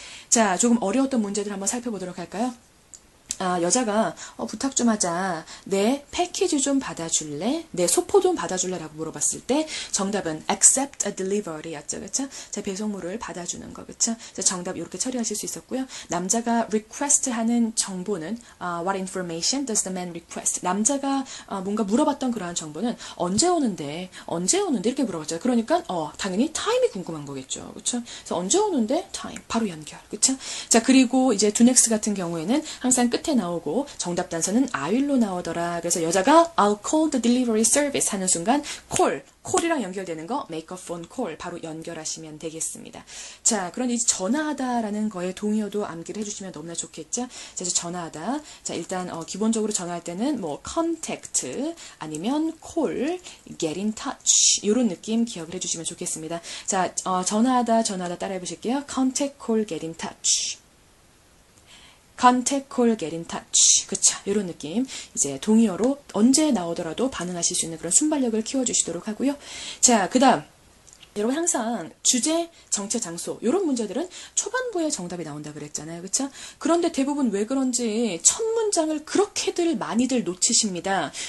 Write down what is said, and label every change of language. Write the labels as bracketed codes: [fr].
[ko] 자, 조금 어려웠던 문제들 한번 살펴보도록 할까요? 아, 여자가, 부탁 좀 하자. 네, 패키지 좀 받아줄래? 네, 소포 좀 받아줄래? 라고 물어봤을 때, 정답은 [en] accept a delivery [ko] 였죠, 그쵸? 자, 배송물을 받아주는 거, 그쵸? 자, 정답, 이렇게 처리하실 수 있었고요. 남자가 request 하는 정보는, [en] what information does the man request? [ko] 남자가, 뭔가 물어봤던 그러한 정보는, 언제 오는데? 이렇게 물어봤죠. 그러니까, 당연히 time이 궁금한 거겠죠, 그쵸? 그래서 언제 오는데? time. 바로 연결, 그쵸? 자, 그리고 이제 do next 같은 경우에는, 항상 끝에 나오고 정답 단서는 I will로 나오더라. 그래서 여자가 [en] I'll call the delivery service [ko] 하는 순간 콜이랑 연결되는 거 [en] make a phone call [ko] 바로 연결하시면 되겠습니다. 자, 그런데 이제 전화하다라는 거에 동의어도 암기를 해주시면 너무나 좋겠죠? 자, 이제 전화하다. 자, 일단 기본적으로 전화할 때는 뭐 contact 아니면 call, get in touch 이런 느낌 기억을 해주시면 좋겠습니다. 자, 전화하다 따라해 보실게요. [en] contact call, get in touch. Contact, call, get in touch. [ko] 그쵸. 요런 느낌. 이제 동의어로 언제 나오더라도 반응하실 수 있는 그런 순발력을 키워주시도록 하고요. 자, 그 다음. 여러분, 항상 주제, 정체, 장소. 요런 문제들은 초반부에 정답이 나온다 그랬잖아요. 그쵸? 그런데 대부분 왜 그런지 첫 문장을 그렇게들 많이들 놓치십니다.